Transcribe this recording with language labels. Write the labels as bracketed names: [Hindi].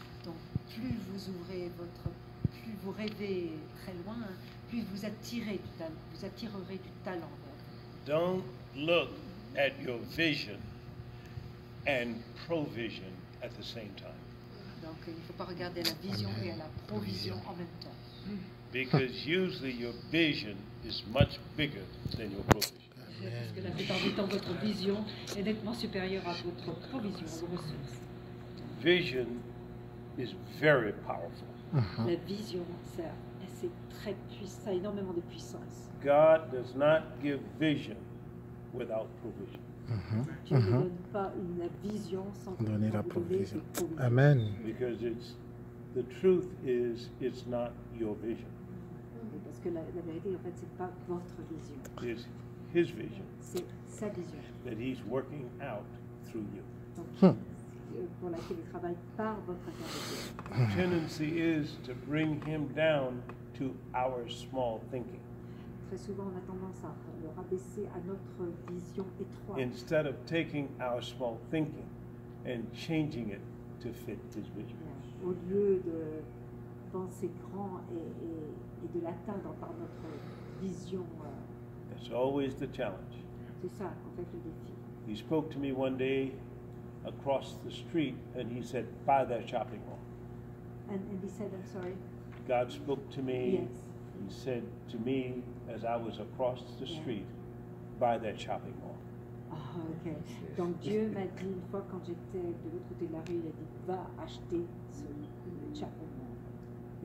[French] Donc plus vous ouvrez plus vous rêvez très loin, plus vous attirerez du talent. [English] Don't look at your vision and provision at the same time. [French] Donc il ne faut pas regarder la vision et la provision en même temps. [English] Because usually your vision is much bigger than your provision. [French] Parce que la plupart du temps, votre vision est nettement supérieure à votre provision, vos ressources. [English] Vision is very powerful. [French] La vision, c'est très puissant, ça a énormément de puissance. [English] God does not give vision without provision. [French] Dieu ne donne pas une vision sans donner la provision. Amen. [English] Because it's the truth is, it's not your vision. [French] Parce que la vérité, en fait, c'est pas votre vision. [English] It's His vision, [French] c'est sa vision [English] that he's working out through you. [French] Pour laquelle il travaille par votre intermédiaire. [English] The tendency is to bring him down to our small thinking. [French] Très souvent, on a tendance à le rabaisser à notre vision étroite. [English] Instead of taking our small thinking and changing it to fit his vision. [French] Au lieu de penser grand et de l'atteindre par notre vision. [English] It's always the challenge. [French] C'est ça, en fait, le défi. [English] He spoke to me one day across the street and he said, buy that shopping mall. And he said, I'm sorry. God spoke to me. Yes. He said to me as I was across the street, buy that shopping mall. Ah, oh, okay. Yes. [French] Donc Dieu m'a dit une fois quand j'étais de l'autre côté de la rue, il a dit, va acheter ce shopping mall.